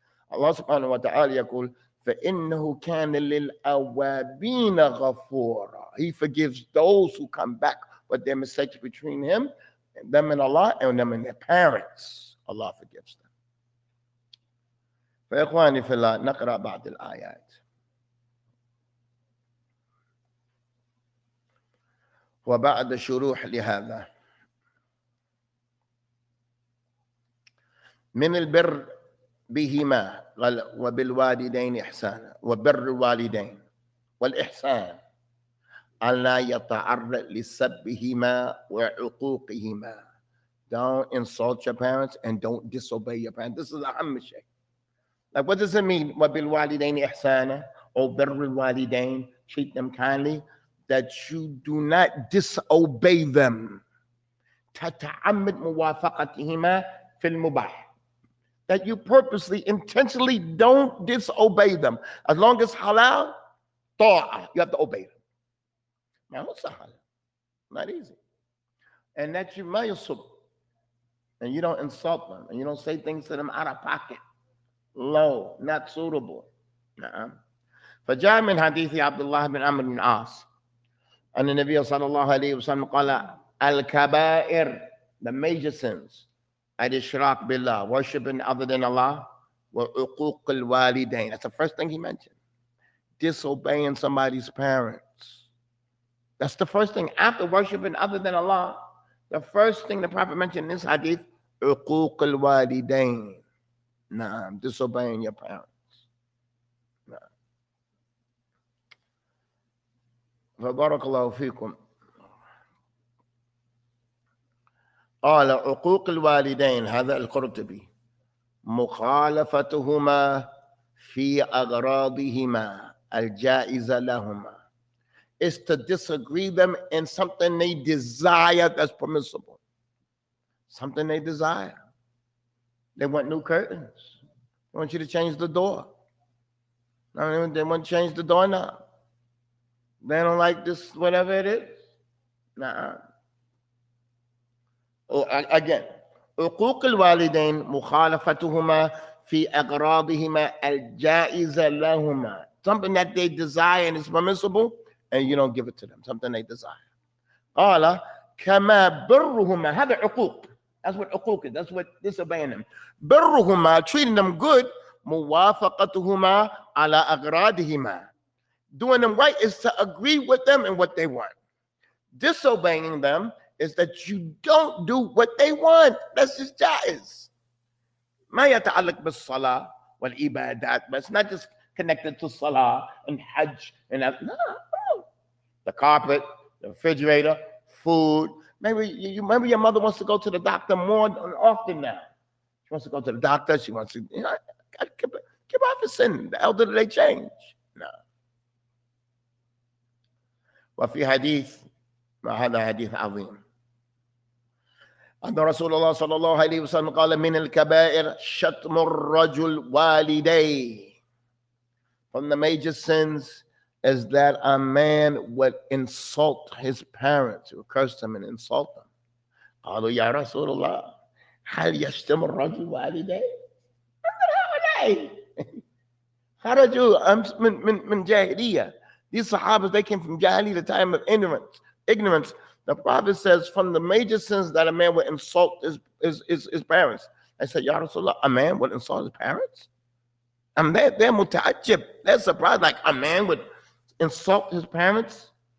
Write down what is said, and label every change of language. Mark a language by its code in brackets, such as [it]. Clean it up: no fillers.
[ar] Allah subhanahu wa ta'ala yaqul, فَإِنَّهُ كَانَ لِلْأَوَّابِينَ غَفُورًا. [en] He forgives those who come back. But their mistakes between him, them and Allah, and them and their parents, Allah forgives them. [ar] فإخواني في الله نقرأ بعض الآيات. وبعد شروح لهذا من البر بهما وبالوالدين إحسانا وبر الوالدين والإحسان ألا يتعرض لسبهما وعقوقهما. [en] Don't insult your parents and don't disobey your parents. This is the [ar] أهم شيء. [en] Like what does it mean? [ar] وبالوالدين إحسانا [en] or [ar] بر الوالدين, [en] treat them kindly, that you do not disobey them. [ar] تتعمد موافقتهما في المباح. [en] That you purposely, intentionally don't disobey them. As long as halal, طاعة, you have to obey them. Not easy. And that you may yusub, and you don't insult them, and you don't say things to them out of pocket. Low, not suitable. [ar] فجاء من حديث عبد الله بن عمرو بن العاص أن النبي صلى الله عليه وسلم قال الكبائر, [en] the major sins, [ar] الإشراك بالله, [en] worshiping other than Allah, [ar] وعقوق الوالدين. [en] That's the first thing he mentioned. Disobeying somebody's parents. That's the first thing. After worshiping other than Allah, the first thing the Prophet mentioned in this hadith, [ar] عقوق الوالدين. [en] Nah, I'm disobeying your parents. Nah. [ar] فبارك الله فيكم. قال عقوق الوالدين, هذا القرطبي, مخالفتهما في أغراضهما الجائزة لهما. [en] Is to disagree them in something they desire that's permissible. Something they desire. They want new curtains. They want you to change the door. They want to change the doorknob. They don't like this, whatever it is. Nah. [ar] Again, عقوق الوالدين مخالفتهما في أغراضهما الجائزة لهما. [en] Something that they desire and is permissible. And you don't give it to them, something they desire. Allah, [ar] كما برهما، هذا عقوق، [en] that's what عقوق is, that's what disobeying them. [ar] برهما [en] treating them good، [ar] موافقتهما على أغراضهما، [en] doing them right is to agree with them and what they want. Disobeying them is that you don't do what they want. That's just jaiz. [ar] ما يتعلق بالصلاة والعبادات، [en] but it's not just connected to salah and hajj and that. No, the carpet, the refrigerator, food. Maybe your mother wants to go to the doctor more than often now. She wants to go to the doctor. She wants to, you know, keep off of sin. The elderly, they change. No. [ar] وفي حديث ما هذا حديث عظيم أن رسول الله صلى الله عليه وسلم قال من الكبائر شتم الرجل والديه. [en] One of the major sins is that a man would insult his parents, would curse them and insult them. [ar] قالوا يا رسول الله هل يشتم الرجل والديه؟ انظر هؤلاء خرجوا من جاهلية. [en] These Sahabas, they came from Jahili, the time of ignorance. The Prophet says, from the major sins that a man would insult his parents. I said, Ya Rasulullah, a man would insult his parents? And they're muta'ajib. They're surprised, like a man would insult his parents?